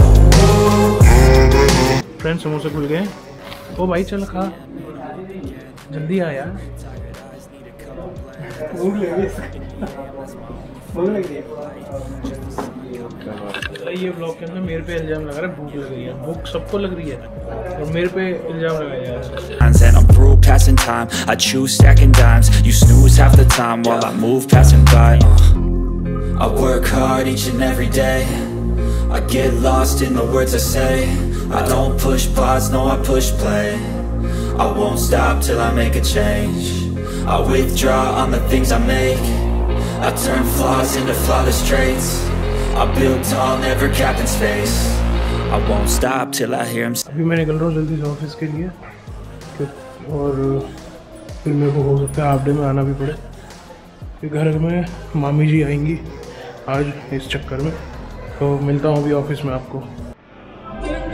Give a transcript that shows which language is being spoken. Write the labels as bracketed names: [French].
[Hindi] Friends समोसे खुल गए. ओ भाई चल खा जल्दी आ यार. ये ब्लॉग के अंदर मेरे पे इल्जाम लगा रहा है भूख लग रही है. भूख सबको लग रही है और मेरे पे इल्जाम लगाया जा रहा है. [English] Passing time, I choose stacking dimes. You snooze half the time while I move passing by. I work hard each and every day. I get lost in the words I say. I don't push pause, no, I push play. I won't stop till I make a change. I withdraw on the things I make. I turn flaws into flawless traits. I build tall, never cap in space. I won't stop till I hear him say. [Hindi] अभी मैं निकल रहा हूँ जल्दी से office के लिए और फिर मेरे को हो सकता है हाफ डे में आना भी पड़े क्योंकि घर में मामी जी आएंगी आज इस चक्कर में. तो मिलता हूँ अभी ऑफिस में आपको.